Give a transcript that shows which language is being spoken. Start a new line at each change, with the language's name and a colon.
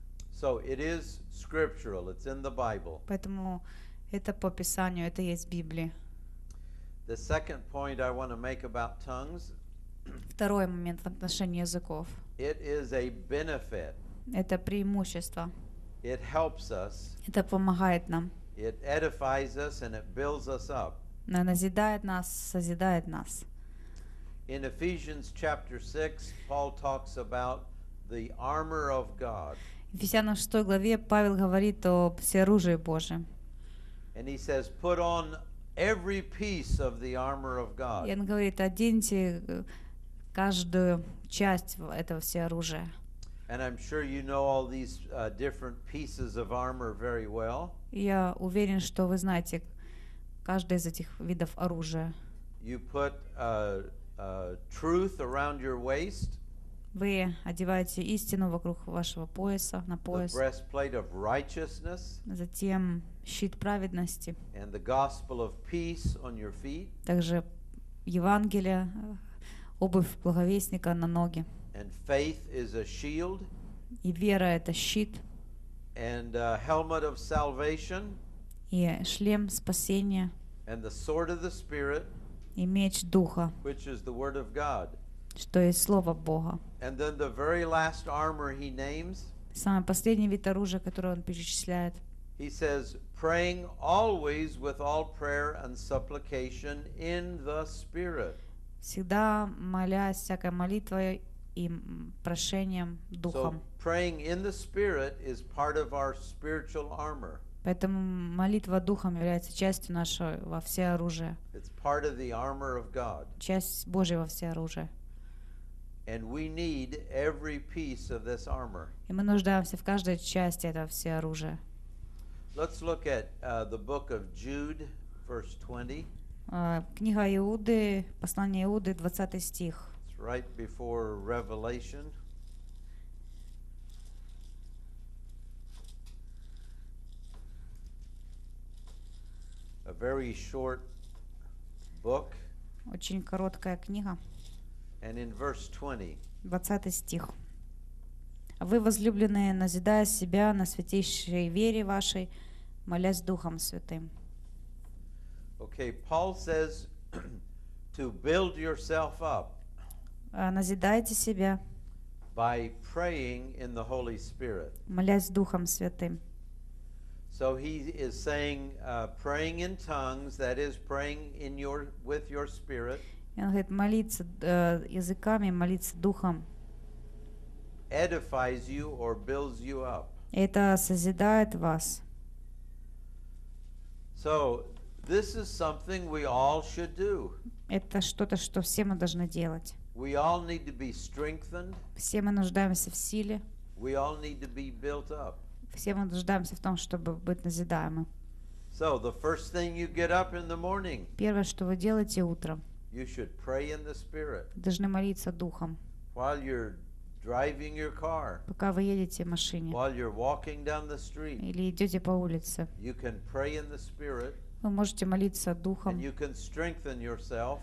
English: So it is scriptural, it's in the Bible.
Russian: Поэтому это по Писанию, это есть в Библии.
English: The second point I want to make about tongues.
Russian: Второй момент в отношении языков.
English: It is a benefit.
Russian: Это преимущество.
English: It helps us.
Russian: Это помогает нам.
English: It edifies us and it builds us up.
Russian: Она назидает нас, созидает нас.
English: In Ephesians chapter 6, Paul talks about the armor of God.
Russian: В Ефесянам 6 главе Павел говорит о всеоружии Божьем.
English: And he says, "Put on every piece of the armor of God."
Russian: И он говорит, оденьте каждую часть этого всеоружия.
English: And I'm sure you know all these different pieces of armor very well.
Russian: Я уверен, что вы знаете каждый из этих видов оружия.
English: You put truth around your waist.
Russian: Вы одеваете истину вокруг вашего пояса, на пояс.
English: The breastplate of righteousness.
Russian: Затем щит праведности.
English: And the gospel of peace on your feet.
Russian: Также Евангелие, обувь благовестника на ноги.
English: And faith is a shield.
Russian: И вера это щит.
English: And a helmet of salvation.
Russian: И шлем спасения.
English: And the sword of the spirit.
Russian: и меч духа,
English: which is the word of God.
Russian: Что есть слово Бога.
English: And then the very last armor he names.
Russian: Самый последний вид оружия, которое он перечисляет.
English: He says, praying always with all prayer and supplication in the Spirit.
Russian: Всегда молясь всякой молитвой и прошением духом.
English: So praying in the Spirit is part of our spiritual armor.
Russian: Поэтому молитва духом является частью нашего всеоружия.
English: It's part of the armor of God.
Russian: Часть Божьего всеоружия.
English: And we need every piece of this armor.
Russian: И мы нуждаемся в каждой части этого всеоружия.
English: Let's look at the book of Jude, verse 20.
Russian: Книга Иуды, послание Иуды, 20 стих.
English: It's right before Revelation. A very short book.
Russian: Очень короткая книга.
English: And in verse 20.
Russian: 20 стих. Вы, возлюбленные, назидая себя на святейшей вере вашей, молясь Духом Святым.
English: Okay, Paul says to build yourself up.
Russian: Назидайте себя.
English: By praying in the Holy Spirit.
Russian: Молясь Духом Святым.
English: So he is saying praying in tongues, that is praying in your with your spirit.
Russian: Он говорит, молиться языками, молиться духом.
English: Edifies you or builds you up.
Russian: Это созидает вас.
English: So, this is something we all should do.
Russian: Это что-то, что все мы должны делать.
English: We all need to be strengthened.
Russian: Все мы нуждаемся в силе.
English: We all need to be built up.
Russian: Все мы нуждаемся в том, чтобы быть назидаемы.
English: So, the first thing you get up in the morning.
Russian: Первое, что вы делаете утром.
English: You should pray in the Spirit.
Russian: Должны молиться духом.
English: While you're driving your car.
Russian: Пока вы едете в машине.
English: While you're walking down the street.
Russian: Или идете по улице.
English: You can pray in the Spirit.
Russian: Вы можете молиться духом.
English: And you can strengthen yourself.